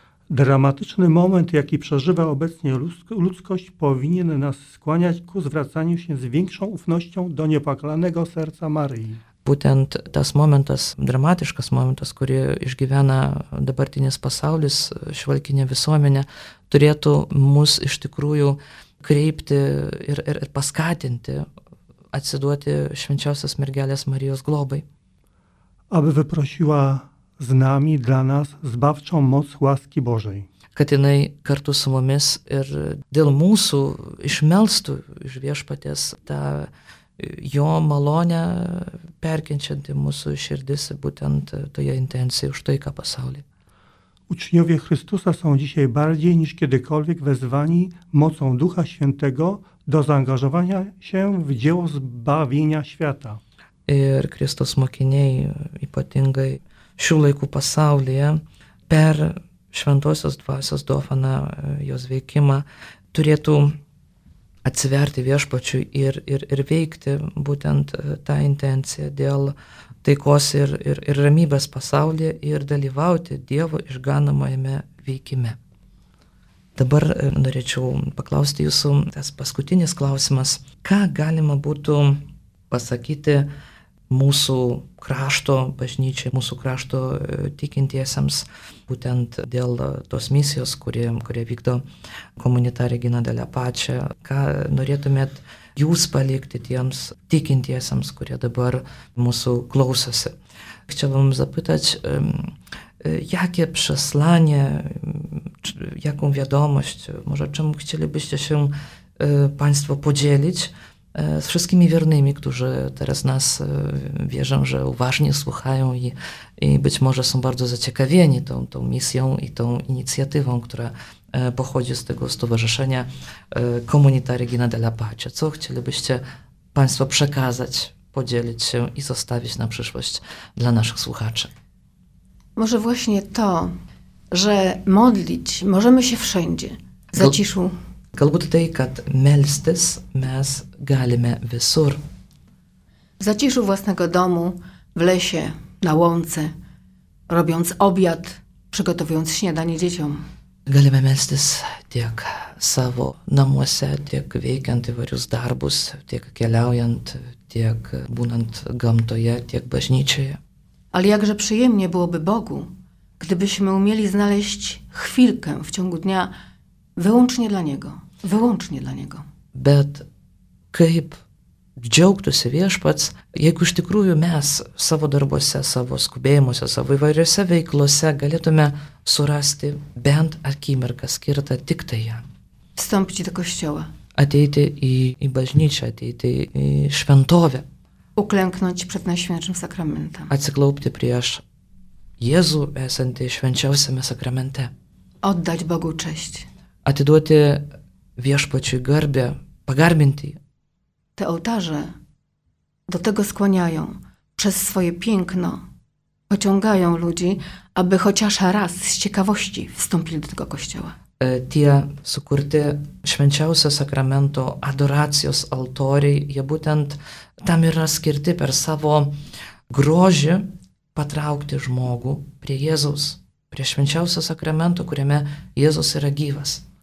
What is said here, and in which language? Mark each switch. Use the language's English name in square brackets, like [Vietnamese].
[Polish] Dramatyczny moment, jaki przeżywa obecnie ludzkość, powinien nas skłaniać ku zwracaniu się z większą ufnością do niepokalanego serca Maryi. [Lithuanian] Būtent tas momentas, dramatiškas momentas, kurį išgyvena dabartinis pasaulis, šiuolaikinė visuomenė, turėtų mus iš tikrųjų kreipti ir paskatinti atsiduoti švenčiausios mergelės Marijos globai. [Polish] Aby wyprosiła z nami dla nas zbawczą moc łaski Bożej. [Lithuanian] Kad jinai kartu su mumis ir dėl mūsų išmelstų iš Viešpaties tą jo malonę perkenčianti mūsų širdis būtent toje intencijoje už taiką pasaulyje. [Polish] Uczniowie Chrystusa są dzisiaj bardziej niż kiedykolwiek wezwani mocą Ducha Świętego do zaangażowania się w dzieło zbawienia świata. [Lithuanian] Ir Kristus mokiniai ypatingai šių laikų pasaulyje per šventosios dvasios dovaną jos veikimą turėtų atsiverti Viešpačiui ir veikti būtent tą intenciją dėl taikos ir ramybės pasaulyje ir dalyvauti Dievo išganamojame veikime. Dabar norėčiau paklausti jūsų tas paskutinis klausimas. Ką galima būtų pasakyti mūsų krašto bažnyčiai, mūsų krašto tikintiesiems, būtent dėl tos misijos, kurie vykdo Comunità Regina della Pace, ką norėtumėt jūs palikti tiems tikintiesiems, kurie dabar mūsų klausosi. [Polish] Chciał bym zapytać, jakie przesłanie, jaką wiadomość, może czym chcielibyście się państwo podzielić, z wszystkimi wiernymi, którzy teraz nas wierzą, że uważnie słuchają i być może są bardzo zaciekawieni tą misją i tą inicjatywą, która pochodzi z tego stowarzyszenia Comunità Regina della Pace. Co chcielibyście państwo przekazać, podzielić się i zostawić na przyszłość dla naszych słuchaczy? Może właśnie to, że modlić możemy się wszędzie, za ciszą. [Lithuanian] Galbūt tai, kad melstis mes galime visur. [Polish] Za ciszą własnego domu, w lesie, na łące, robiąc obiad, przygotowując śniadanie dzieciom. [Lithuanian] Galime melstis tiek savo namuose, tiek veikiant įvairius darbus, tiek keliaujant, tiek būnant gamtoje, tiek bažnyčioje. [Polish] Ale jakże przyjemnie byłoby Bogu, gdybyśmy umieli znaleźć chwilkę w ciągu dnia wyłącznie dla Niego. Wyłącznie dla Niego. [Lithuanian] Bet kaip džiaugtųsi Viešpats, jeigu iš tikrųjų mes savo darbuose, savo skubėjimuose, savo įvairiose veiklose galėtume surasti bent akimirką skirtą tik tai ją. [Polish] Stąpti do kościoła. [Lithuanian] Ateiti į bažnyčią, ateiti į šventovę. [Polish] Uklęknąć przed najświętszym sakramentem. [Lithuanian] Atsiklaupti prieš Jėzų esantį švenčiausiame sakramente. [Polish] Oddać Bogu cześć. [Lithuanian] Atiduoti Viešpačiui garbę, pagarbinti. [Polish] Te ołtarze do tego skłaniają, przez swoje piękno pociągają ludzi, aby chociaż raz z ciekawości wstąpili do tego kościoła. [Lithuanian] Tie sukurti švenčiausio sakramento adoracijos altoriai, jie būtent tam yra skirti per savo grožį patraukti žmogų prie Jėzaus, prie švenčiausio sakramento, kuriame Jėzus yra gyvas.